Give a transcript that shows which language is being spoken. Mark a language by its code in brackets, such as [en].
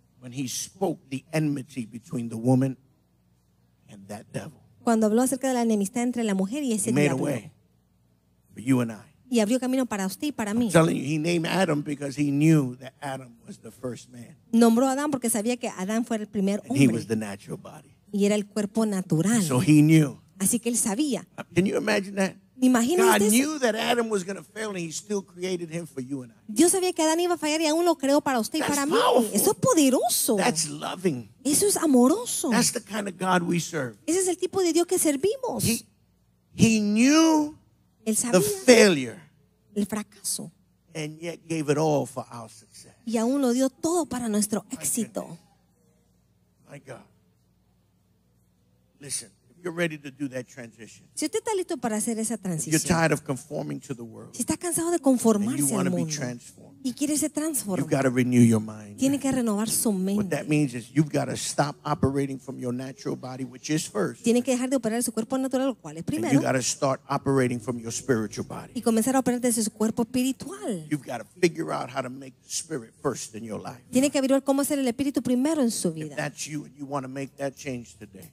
[en] When he spoke the enmity between the woman and that devil. [es] Cuando habló acerca de la enemistad entre la mujer y ese diablo. [en] He made a way for you and I. [es] Y abrió camino para usted y para mí. [en] I'm telling you, he named Adam because he knew that Adam was the first man. [es] Nombró a Adán porque sabía que Adán fue el primer hombre. [en] And he was the natural body. [es] Y era el cuerpo natural. [en] So he knew. [es] Así que él sabía. [en] Can you imagine that? God knew that Adam was going to fail and he still created him for you and I. [es] Dios sabía que Adán iba a fallar y aún lo creó para usted y para mí. Eso es poderoso. [en] That's loving. [es] Eso es amoroso. [en] That's the kind of God we serve. [es] Ese es el tipo de Dios que servimos. [en] He knew the failure. [es] El fracaso. [en] And yet gave it all for our success. [es] Y aún lo dio todo para nuestro éxito. [en] My God. Listen. You're ready to do that transition. [es] Si usted está listo para hacer esa transición. [en] You're tired of conforming to the world. [es] Si está cansado de conformarse al mundo. [en] You want to be transformed. [es] Y quiere ser transformado. [en] You've got to renew your mind. [es] Tiene que renovar su mente. [en] What that means is you've got to stop operating from your natural body, which is first. [es] Tiene que dejar de operar su cuerpo natural, cual es primero. [en] You've got to start operating from your spiritual body. [es] Y comenzar a operar desde su cuerpo espiritual. [en] You've got to figure out how to make the spirit first in your life. [es] Tiene que averiguar cómo hacer el espíritu primero en su vida. [en] If that's you and you want to make that change today.